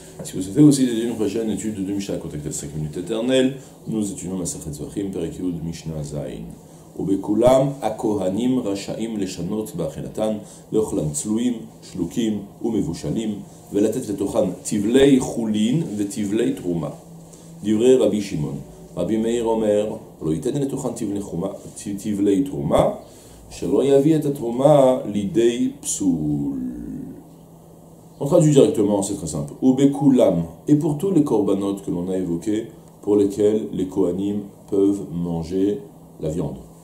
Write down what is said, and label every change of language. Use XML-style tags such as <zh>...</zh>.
<fr>Si vous souhaitez aussi une prochaine étude de Mishnah, contactez 5 minutes éternelles. Nous étudions la Sachet Zachim, Perikyud Mishnah Zain.</fr> <he>ובכולם הכהנים רשאים לשנות באכילתן, לאוכלן צלויים, שלוקים ומבושלים, ולתת לתוכן טבלי חולין וטבלי תרומה. דברי רבי שמעון, רבי מאיר אומר, לא ייתן לתוכן טבלי תרומה, שלא יביא את התרומה לידי פסול.</he> <fr>On traduit directement, c'est très simple. ובכולם, et pour tous les corbanot que l'on a évoqués, pour lesquels les kohanim peuvent manger la viande.</fr>